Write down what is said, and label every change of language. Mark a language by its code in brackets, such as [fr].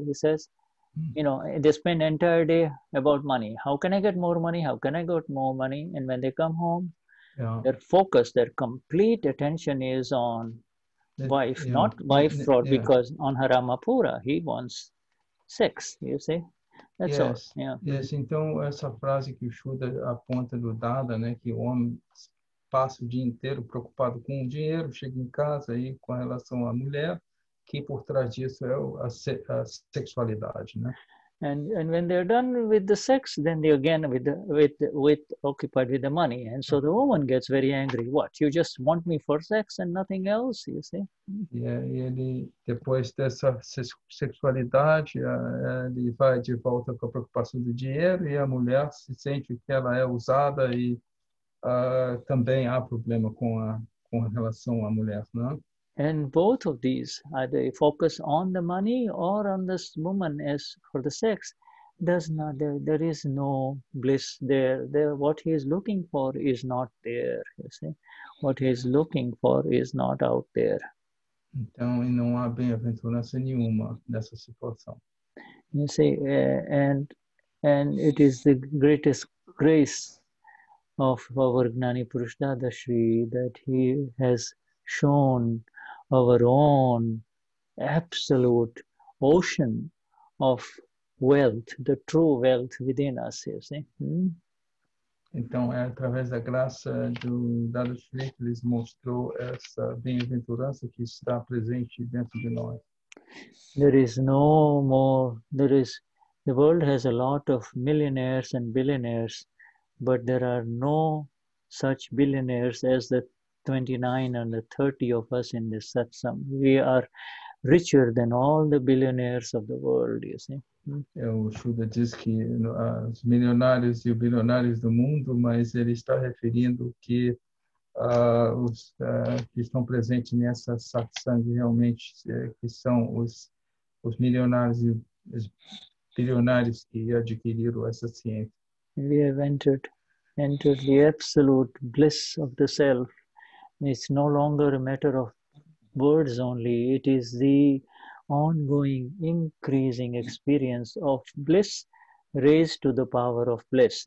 [en] He says, you know, they spend entire day about money. How can I get more money? How can I get more money? And when they come home, their focus, their complete attention is on wife, not wife fraud, because on Haramapura, he wants sex, you see? That's all. [pt] Yes, então essa frase que o Shuddha aponta do Dada, né, que o homem passa o dia inteiro preocupado com o dinheiro, chega em casa aí com relação à mulher, que por trás disso é a sexualidade, né? [en] And when they're done with the sex, then they again with occupied with the money, and so the woman gets very angry. What? You just want me for sex and nothing else, you see? [pt] Yeah, ele depois dessa sexualidade, ele vai de volta com a preocupação do dinheiro, e a mulher se sente que ela é usada, e também há problema com relação à mulher, né? [en] And both of these, either focus on the money or on this woman as for the sex, does not, there is no bliss there. What he is looking for is not there, you see. What he is looking for is not out there. [pt] Então, e não há bem-aventurança nenhuma nessa situação. [en] You see, and it is the greatest grace of our Gnani Purush Dadashri that he has shown our own absolute ocean of wealth, the true wealth within us, you see. [pt] Então, é através da graça do Dadashri que lhes mostrou essa bem-aventurança que está presente dentro de nós. [en] There is no more, there is, the world has a lot of millionaires and billionaires, but there are no such billionaires as the 29 and the 30 of us in this satsang. We are richer than all the billionaires of the world, you see. [pt] É, o Shuddha diz que os milionários e os bilionários do mundo, mas ele está referindo que os que estão presentes nessa satsang realmente, que são os milionários e os bilionários que adquiriram essa ciência. [en] We have entered the absolute bliss of the self. It's no longer a matter of words only, it is the ongoing increasing experience of bliss raised to the power of bliss.